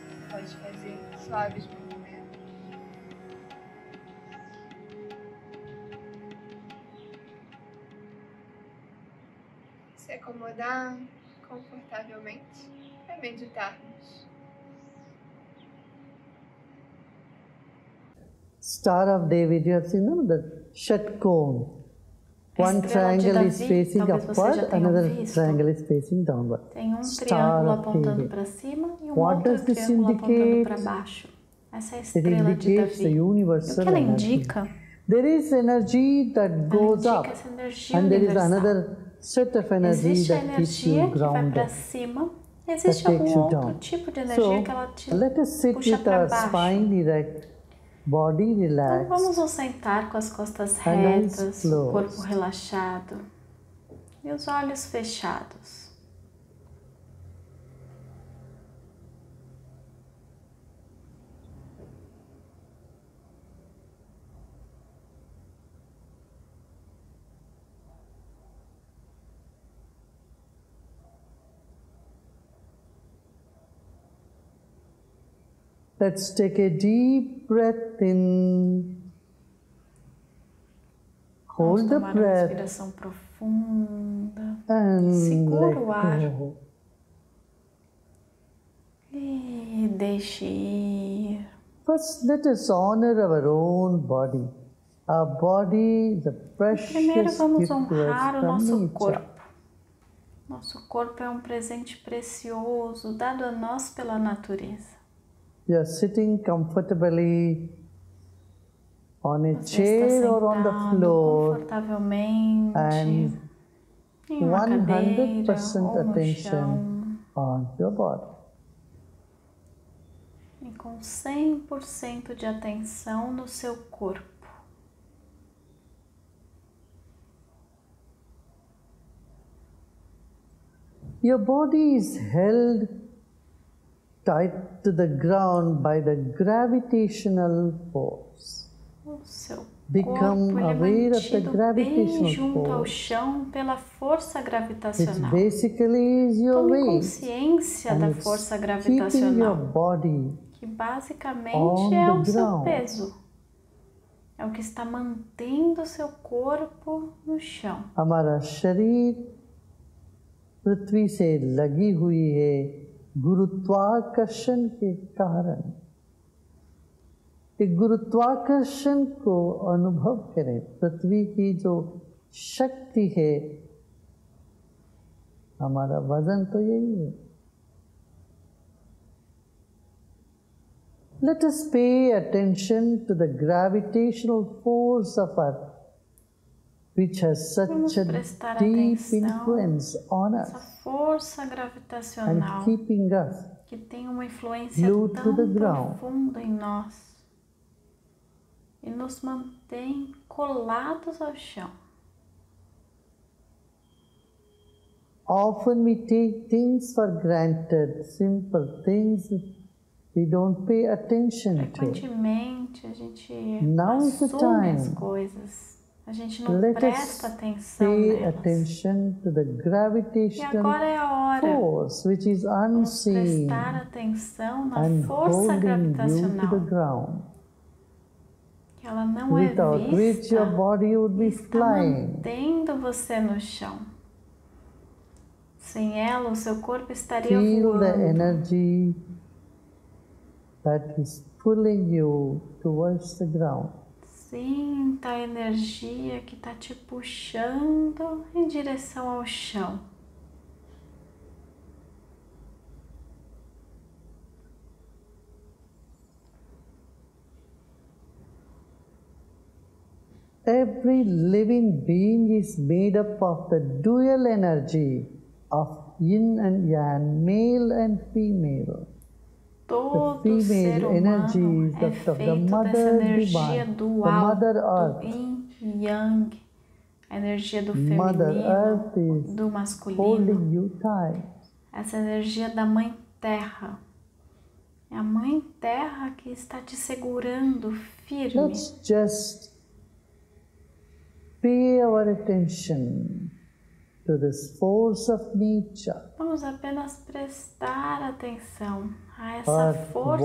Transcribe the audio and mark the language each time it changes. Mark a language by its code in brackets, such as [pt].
[pt] Pode fazer suaves acomodar confortavelmente para meditarmos. [en] Star of David, you have seen them, the shatkon. One triangle is facing upward, another triangle is facing downward. [pt] Tem um triângulo apontando para cima e um outro triângulo apontando para baixo. Essa é a estrela de Davi. O que ela indica? [en] There is energy that goes up. And there is another set of energy that keeps you grounded. [pt] Existe algum outro tipo de energia que ela te puxa para baixo. [en] Let us sit with our spine erect, body relaxed. [pt] Então vamos nos sentar com as costas retas, corpo relaxado e os olhos fechados. [en] Let's take a deep breath in. Hold the breath. [pt] Uma respiração profunda. Segura o ar. E deixe ir. [en] First, let us honor our own body. Our body, the precious gift. [pt] Primeiro vamos honrar o nosso corpo. Nosso corpo é um presente precioso dado a nós pela natureza. [en] You are sitting comfortably on a chair or on the floor, and 100% attention on your body. [pt] E com 100% de atenção no seu corpo. [en] Your body is held tied to the ground by the gravitational force. Become aware of the gravitational force. [pt] Junto ao chão pela força gravitacional. [en] It basically is your weight. [pt] Tome consciência da força gravitacional. [en] Your body, [pt] que basicamente é o seu peso. É o que está mantendo o seu corpo no chão. [hi] Amara sharir prithvi se lagi hui hai. गुरुत्वाकर्षण के कारण एक गुरुत्वाकर्षण को अनुभव करें पृथ्वी की जो शक्ति है हमारा वजन तो यही है [en] let us pay attention to the gravitational force of earth which has such a deep influence on us [pt] força gravitacional [en] and keeping us [pt] que tem uma influência tão profunda em nós e nos mantém colados ao chão. [en] Often we take things for granted, simple things we don't pay attention to. [pt] Frequentemente a gente assume as coisas, a gente não presta atenção nelas. [en] Pay attention to the gravitational force, which is unseen, and holding you to the ground. [pt] Que ela não é vista, [en] your body would be [pt] está [en] flying. [pt] Mantendo você no chão. Sem ela, o seu corpo estaria [en] feel [pt] voando. [en] The energy that is pulling you towards the ground. [pt] Sinta a energia que está te puxando em direção ao chão. [en] Every living being is made up of the dual energy of yin and yang, male and female. [pt] Todo [en] the female energy is that of the mother divine, the mother earth. [pt] Yin yang, energia do feminino, [en] mother earth is [pt] do masculino. [en] Holding you tight. [pt] Essa energia da mãe terra. É a mãe terra que está te segurando firme. [en] Let's just pay our attention to this force of nature. [pt] Vamos apenas prestar atenção a essa [en] earth, [pt] força